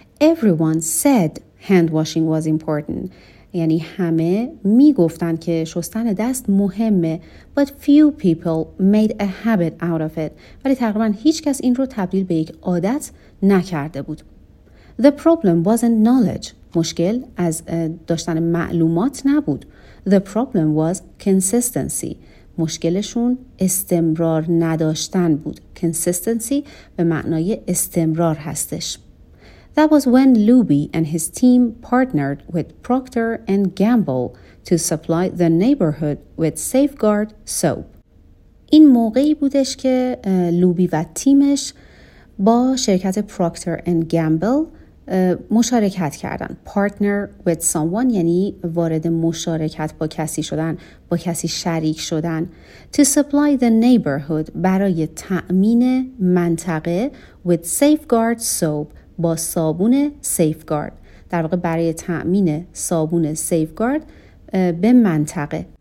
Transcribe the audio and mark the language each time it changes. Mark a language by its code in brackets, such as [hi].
[en] Everyone said hand washing was important. [fa] یعنی همه میگفتن که شستن دست مهمه. [en] But few people made a habit out of it. [fa] ولی تقریبا هیچ کس این رو تبدیل به یک عادت نکرده بود. [en] The problem wasn't knowledge. [fa] مشکل از داشتن معلومات نبود. [en] The problem was consistency. [fa] مشکلشون استمرار نداشتن بود. Consistency به معنای استمرار هستش. [en] That was when Luby and his team partnered with Procter and Gamble to supply the neighborhood with safeguard soap. [fa] این موقعی بودش که لوبی و تیمش با شرکت Procter and Gamble مشارکت کردن. [en] Partner with someone [fa] یعنی وارد مشارکت با کسی شدن، با کسی شریک شدن. [en] To supply the neighborhood [fa] برای تأمین منطقه [en] with safeguard soap [fa] با صابون سیفگارد، در واقع برای تأمین صابون سیفگارد به منطقه.